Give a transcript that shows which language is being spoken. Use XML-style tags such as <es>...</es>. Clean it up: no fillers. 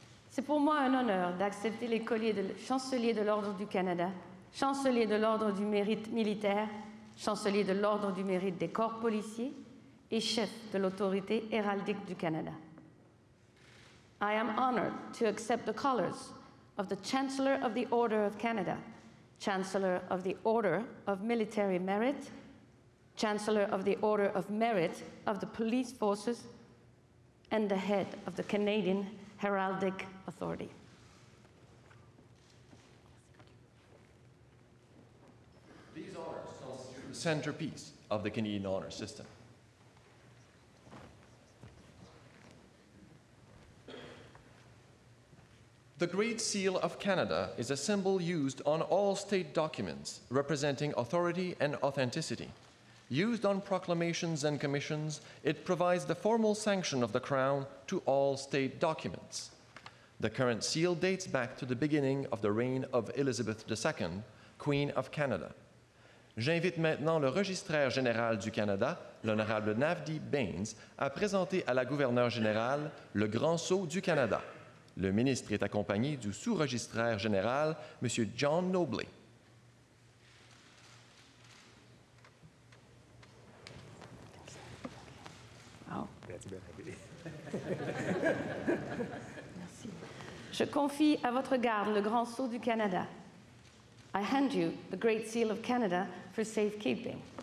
<fr>C'est pour moi un honneur d'accepter les colliers de chancelier de l'Ordre du Canada, chancelier de l'Ordre du Mérite militaire, chancelier de l'Ordre du Mérite des corps policiers et chef de l'Autorité héraldique du Canada.</fr> <en>I am honored to accept the colors of the Chancellor of the Order of Canada, Chancellor of the Order of Military Merit, Chancellor of the Order of Merit of the Police Forces, and the head of the Canadian Heraldic Authority. These honors constitute the centerpiece of the Canadian Honor System. The Great Seal of Canada is a symbol used on all state documents representing authority and authenticity. Used on proclamations and commissions, it provides the formal sanction of the Crown to all state documents. The current seal dates back to the beginning of the reign of Elizabeth II, Queen of Canada.</en> <fr>J'invite maintenant le registraire général du Canada, l'honorable Navdeep Bains, à présenter à la gouverneure générale le grand sceau du Canada. Le ministre est accompagné du sous-registraire général, M. John Nobley. Merci. Je confie à votre garde le grand sceau du Canada.</fr> <en>I hand you the Great Seal of Canada for safekeeping.</en>